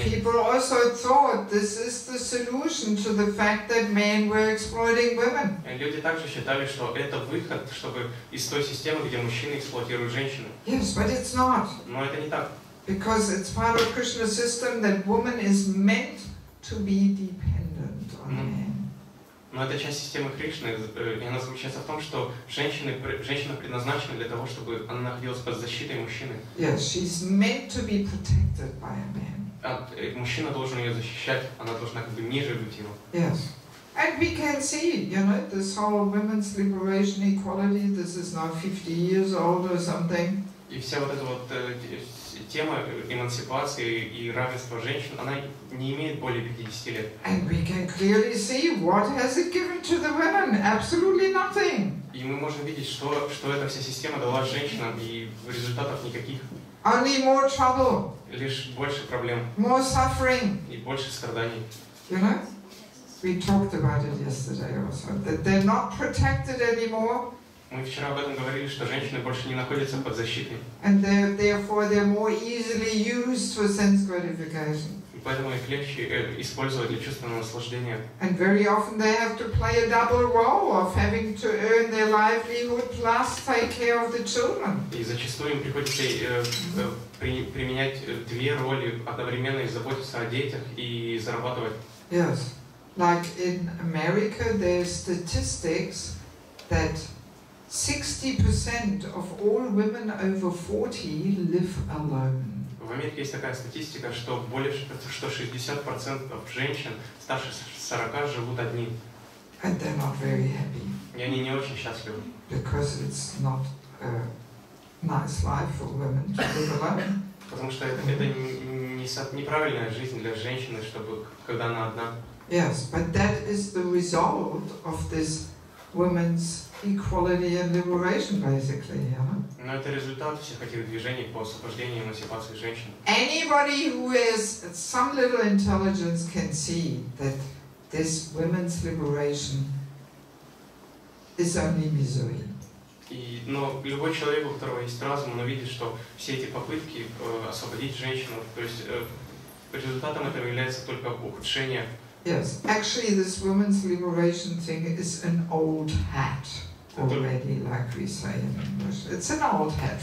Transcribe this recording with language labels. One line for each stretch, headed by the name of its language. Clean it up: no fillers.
English: People also thought this is the solution to the fact that men were exploiting women.
Russian: И люди также считали, что это выход, чтобы из той системы, где мужчины эксплуатируют женщину.
English: Yes, but it's not.
Russian: Но это не так.
English: Because it's part of Krishna's system that woman is meant to be dependent on men.
Russian: Но это часть системы Кришны, и она заключается в том, что женщина предназначена для того, чтобы она находилась под защитой мужчины.
English: Yes, she's meant to be protected by a man.
Russian: Мужчина должен ее защищать, она должна как бы ниже быть его.
English: Yes. And we can see, you know, this whole women's liberation equality, this is now 50 years old or something.
Russian: И вся вот эта вот тема эмансипации и равенства женщин, она не имеет более 50 лет.
English: And we can clearly see what has it given to the women. Absolutely nothing.
Russian: И мы можем видеть, что эта вся система дала женщинам, и результатов никаких.
English: Only more trouble.
Russian: Лишь больше проблем.
English: More suffering.
Russian: И больше страданий.
English: You know? We talked about it yesterday also. That they're not protected anymore.
Russian: Мы вчера об этом говорили, что женщины больше не находятся под защитой.
English: And therefore they're more easily used for sense gratification.
Russian: И поэтому их легче использовать для чувственного наслаждения.
English: And very often they have to play a double role of having to earn their livelihood plus take care of the children.
Russian: И зачастую им приходится применять две роли одновременно: и заботиться о детях, и зарабатывать.
English: Yes. Like in America, there's statistics that 60% of all women over 40 live alone.
Russian: В Америке есть такая статистика, что 60% женщин старше 40 живут одни.
English: And they're not very happy.
Russian: И они не очень счастливы.
English: Because it's not a nice life for women to live alone.
Russian: Потому что это неправильная жизнь для женщины, чтобы когда она одна.
English: Yes, but that is the result of this women's equality and liberation, basically, yeah?
Russian: Но это результат всех этих движений по освобождению и эмансипации женщин.
English: Anybody who has some little intelligence can see that this women's liberation is only misery.
Russian: Но любой человек, у которого есть разум, он увидит, что все эти попытки освободить женщину, то есть результатом этого является только ухудшение.
English: Yes, actually this women's liberation thing is an old hat already, like we say in English. It's an old hat.